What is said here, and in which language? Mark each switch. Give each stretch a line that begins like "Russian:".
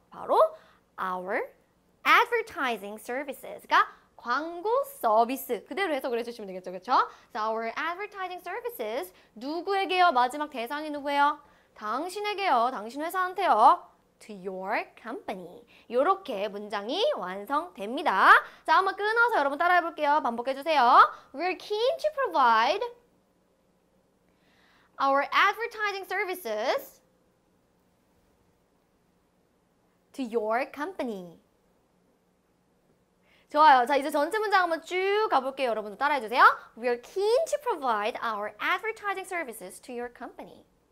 Korean: 바로
English: our advertising services
Korean: 가 광고 서비스 그대로 해석을 해주시면 되겠죠, 그렇죠?
English: So our advertising services
Korean: 누구에게요? 마지막 대상이 누구예요? 당신에게요. 당신 회사한테요.
English: To your company.
Korean: 이렇게 문장이 완성됩니다. 자, 한번 끊어서 여러분 따라해볼게요. 반복해 주세요.
English: We're keen to provide our advertising services to your company.
Korean: 좋아요. 자, 이제 전체 문장 한번 쭉 가볼게요. 여러분도 따라해 주세요.
English: We are keen to provide our advertising services to your company.